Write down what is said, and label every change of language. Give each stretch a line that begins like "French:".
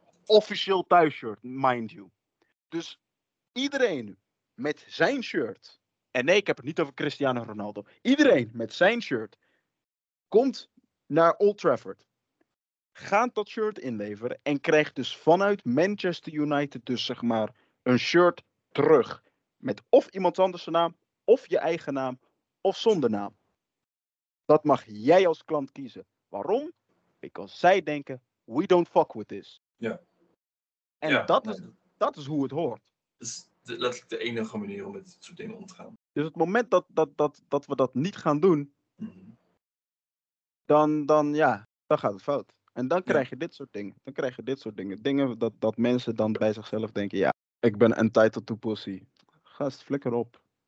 Dutch: Officieel thuisshirt,
English: mind you.
Dutch: Dus iedereen met zijn shirt, en nee, ik heb het niet over Cristiano Ronaldo, iedereen met zijn shirt komt naar Old Trafford, gaat dat shirt inleveren en krijgt dus vanuit Manchester United dus zeg maar een shirt terug. Met of iemand anders zijn naam, of je eigen naam, of zonder naam. Dat mag jij als klant kiezen. Waarom?
English: Because
Dutch: zij denken,
English: we don't fuck with this.
Dutch: Ja. En ja, dat is hoe het hoort. Dat is letterlijk de enige manier om met dit soort dingen om te gaan. Dus het moment dat we dat niet gaan doen, mm-hmm. dan gaat het fout. En dan krijg je dit soort dingen. Dan krijg je dit soort dingen. Dingen dat mensen dan bij zichzelf denken, ja, ik ben
English: entitled to pussy.
Dutch: Gast, flikker op.